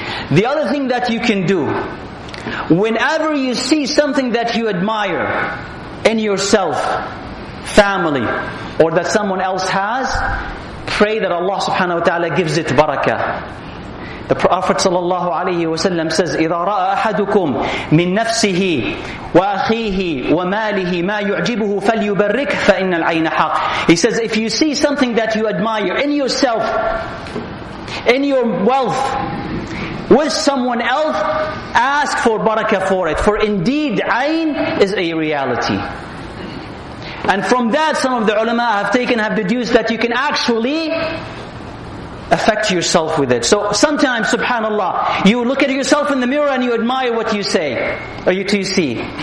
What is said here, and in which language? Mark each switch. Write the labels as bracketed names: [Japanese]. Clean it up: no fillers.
[English] The other thing that you can do, whenever you see something that you admire in yourself, family, or that someone else has, pray that Allah subhanahu wa ta'ala gives it barakah. The Prophet [Arabic] sallallahu alaihi wasallam [English] says, [Arabic] "إذا رأى أحدكم من نفسه وأخيه وماله ما يعجبه فليبرك فإن العين حق." [English] He says, "If you see something that you admire in yourself, in your wealth, with someone else, ask for barakah for it. For indeed, عين is a reality." And from that, some of the ulama have deduced that you can actually affect yourself with it. So sometimes, subhanAllah, you look at yourself in the mirror and you admire what you say, or what you see.